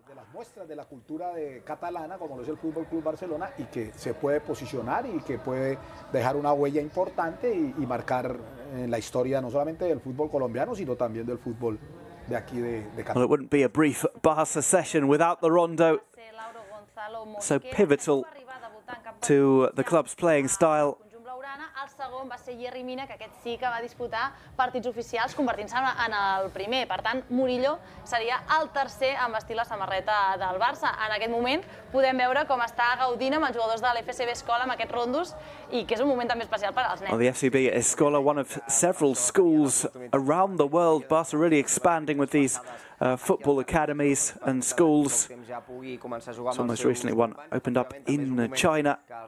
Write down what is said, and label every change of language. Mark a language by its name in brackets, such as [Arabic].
[Spanish] De las muestras de la cultura de catalana, como lo es el Fútbol Club Barcelona, y que se puede posicionar y que puede dejar una huella importante y marcar... en la historia no solamente del fútbol colombiano sino también del fútbol de aquí de Cataluña. [English] Well, it wouldn't be a brief Barça session without the rondo, so pivotal to the club's playing style. [Catalan] El segon va ser Jerry Mina, que aquest sí que va disputar partits oficials, convertint-se en el primer. Per tant, Murillo seria el tercer en vestir la samarreta del Barça. En aquest moment podem veure com està gaudint amb els jugadors de l'FCB Escola amb aquests rondos, i que és un moment també especial per als nens. [English] Well, the FCB Escola, one of several schools around the world. Barça really expanding with these football academies and schools. It's almost recently one opened up in China.